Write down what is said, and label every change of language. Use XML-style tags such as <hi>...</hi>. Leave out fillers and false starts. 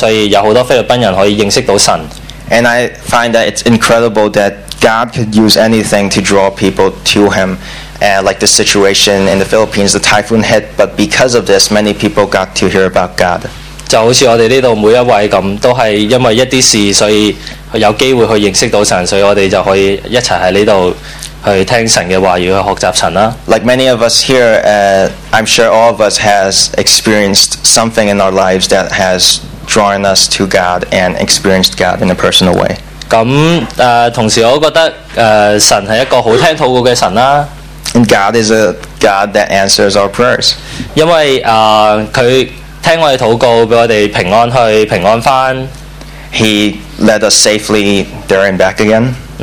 <zh>我覺得神很奇妙，因為神可以透過很多不同的東西去讓人去認識到祂，例如好像這次菲律賓有風災，就因為這個風災，所以有很多菲律賓人可以認識到神。</zh> <en>And I find that it's incredible that God could use anything to draw people to Him. Like the situation in the Philippines, the typhoon hit, but because of this, many people got to hear about God.</en> <zh>就好像我們這裡每一位，都是因為一些事，所以有機會去認識到神，所以我們就可以一起在這裡去聽神的話語，去學習神。</zh> <en>Like many of us here, I'm sure all of us has experienced something in our lives that has drawn us to God and experienced God in a personal way.</en> <zh>同時我覺得神是一個很聽禱告的神啦。</zh> <en>And God is a God that answers our prayers.</en> <zh>因為, 祂聽我們禱告，讓我們平安去，平安回。</zh> <en>He led us safely there and back again.</en>